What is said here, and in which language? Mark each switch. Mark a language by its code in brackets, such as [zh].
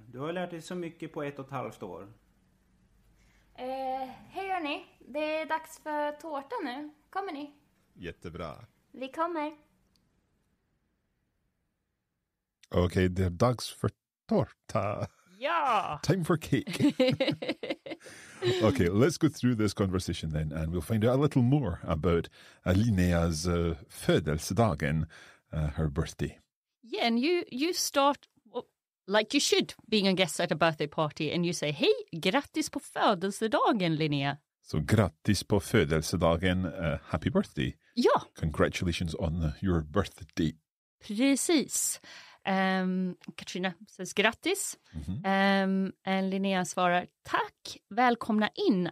[sv] Du har lärt dig så mycket på 1,5 år. Hej hörni, det är dags för tårta nu. Kommer ni? Jättebra. Vi kommer. Okej, det är dags för tårta. Ja! [en] Time for cake. Okej, let's go through this conversation then and we'll find out a little more about [sv] Linneas födelsedagen, [en] her birthday. Yeah, and you start... Like you should, being a guest at a birthday party. And you say, hey, [sv] grattis på födelsedagen, [en] Linnea. So, [sv] grattis på födelsedagen, [en] happy birthday. [sv] Ja. [en] Congratulations on your birthday. [sv] Precis. Katrina [en] says, [sv] grattis. Mm-hmm. [en] And [sv] Linnea svarar, tack, välkomna in.